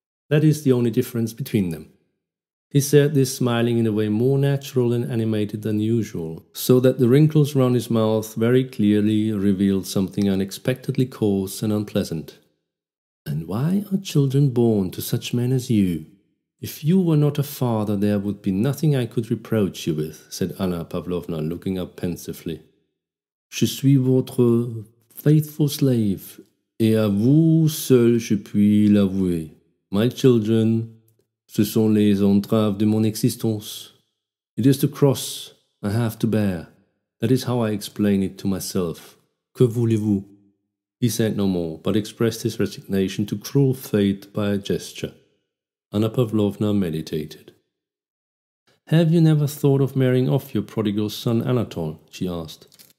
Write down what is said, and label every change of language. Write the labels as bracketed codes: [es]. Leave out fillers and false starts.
[en] That is the only difference between them. He said this smiling in a way more natural and animated than usual, so that the wrinkles round his mouth very clearly revealed something unexpectedly coarse and unpleasant. And why are children born to such men as you? If you were not a father, there would be nothing I could reproach you with, said Anna Pavlovna, looking up pensively. [fr] Je suis votre [en] faithful slave, [fr] et à vous seul je puis l'avouer. [en] My children, [fr] ce sont les entraves de mon existence. [en] It is the cross I have to bear. That is how I explain it to myself. [fr] Que voulez-vous? [en] He said no more, but expressed his resignation to cruel fate by a gesture. Anna Pavlovna meditated. Have you never thought of marrying off your prodigal son Anatole? She asked.